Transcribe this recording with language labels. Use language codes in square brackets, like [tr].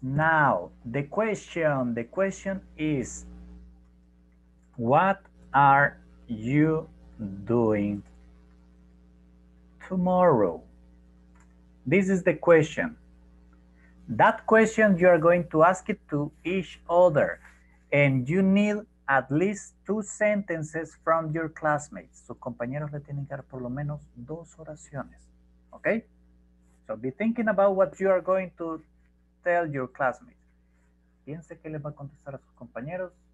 [en] Now, the question is, what are you doing tomorrow? This is the question. That question you are going to ask it to each other, and you need at least 2 sentences from your classmates. [es] Sus compañeros le tienen que dar por lo menos 2 oraciones. [en] Okay? So be thinking about what you are going to tell your classmates. [es] Piense que le va a contestar a sus compañeros.